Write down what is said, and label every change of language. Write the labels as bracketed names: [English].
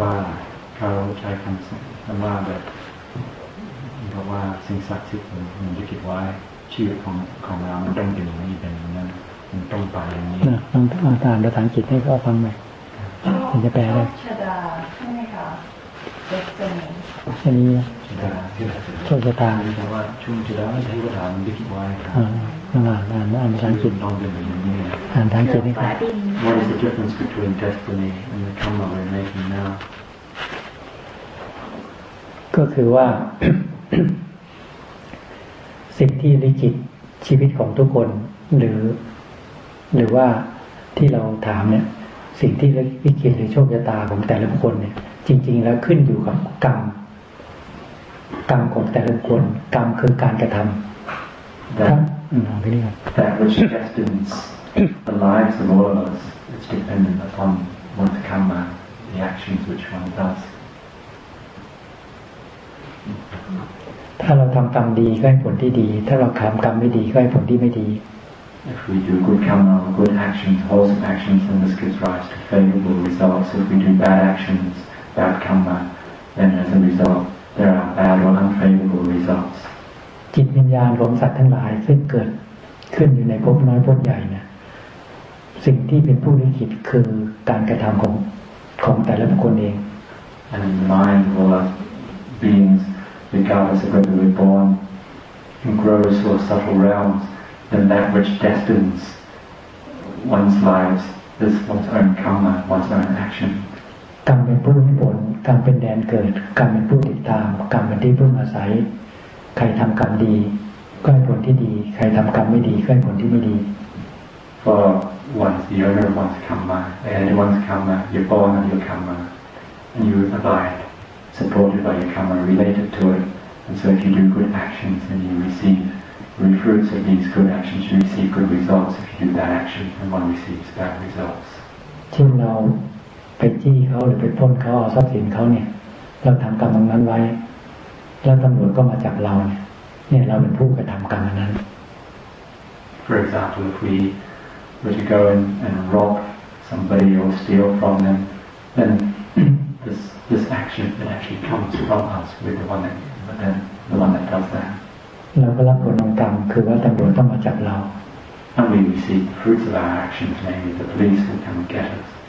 [Thai] ว่าเขาใช้คำคำว่าแบบว่าสิ่งศักดิ์สิทธิ์มันจะเก็บไว้ชื่อของของเรามันต้องเป็นอย่างนี้เป็นอย่างนั้นมันต้องไปอย่างนี้ต้องอ่านภาษาอังกฤษให้เขาฟังไหมมันจะแปลได้ ช า ดาใช่ไหมคะเด็กเ จนี่ชาดา โชคชะตา แต่ว่าช่วงชาดาที่เขาถามมันไม่คิดว่า อ่านทางจิต ต้องเป็นแบบนี้อ่านทางจิตนี่ค่ะ [English] What is the difference between destiny and the karma we're making now [Thai] ก็คือว่าสิ่งที่ลิขิตชีวิตของทุกคนหรือว่าที่เราถามเนี่ยสิ่งที่วิกฤตหรือโชคชะตาของแต่ละคนเนี่ยจริงๆแล้วขึ้นอยู่กับกรรมของแต่ละคนกรรมคือการกระทำ [English] That which destines the lives of all of us is dependent upon one's karma, the actions which one does. [Thai] ถ้าเราทำกรรมดีก็ให้ผลที่ดีถ้าเราทำกรรมไม่ดีก็ให้ผลที่ไม่ดี [English] If we do good karma, good actions, wholesome actions, then this gives rise to favorable results. If we do bad actions, bad karma, then as a result, there are bad or unfavorable results. [Thai] จิตวิญญาณของสัตว์ทั้งหลายซึ่งเกิดขึ้นอยู่ในภพน้อยภพใหญ่นะสิ่งที่เป็นผู้ลิขิตคือการกระทำของแต่ละบุคคลเอง [English] And in the mind of all us beings, regardless of whether we're born in gross or subtle realms. Than that which destines one's lives is one's own karma, one's own action. [Thai] กรรมเป็นผู้ให้ผลกรรมเป็นแดนเกิดกรรมเป็นผู้ติดตามกรรมเป็นที่พึ่งอาศัยใครทำกรรมดีก็ให้ผลที่ดีใครทำกรรมไม่ดีก็ให้ผลที่ไม่ดี [English] For one's the owner of one's karma, anyone's karma, you're born under your karma, and you abide, supported by your karma, related to it. And so, if you do good actions, then you receive. The fruits of these good actions, you receive good results. If you do bad action, then one receives bad results. [Thai] เช่นเราไปจี้เขาหรือไปพ่นเขาเอาทรัพย์สินเขาเนี่ยเราทำกรรมนั้นไว้แล้วตำรวจก็มาจับเราเนี่ยเราเป็นผู้กระทำกรรมนั้น [English] For example, if we were to go and rob somebody or steal from them, then this action that actually comes from us, we're the one that does that. [Thai] เราก็รับผลของกรรมคือว่าตำรวจต้องมาจับเรา [English] And we receive the fruits of our actions, namely the police will come and get us.